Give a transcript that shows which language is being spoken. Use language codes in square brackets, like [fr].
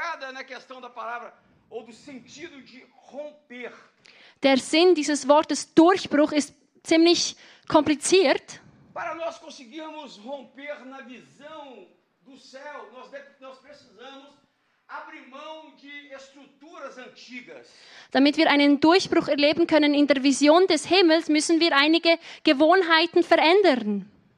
[pt] Na questão da palavra ou do sentido de romper. [de] Der Sinn dieses Wortes Durchbruch ist ziemlich kompliziert. [pt] Para nós conseguirmos romper na visão do céu, nós precisamos abrir mão de estruturas antigas. [de] Damit wir einen Durchbruch erleben können in der Vision des Himmels, müssen wir einige Gewohnheiten verändern.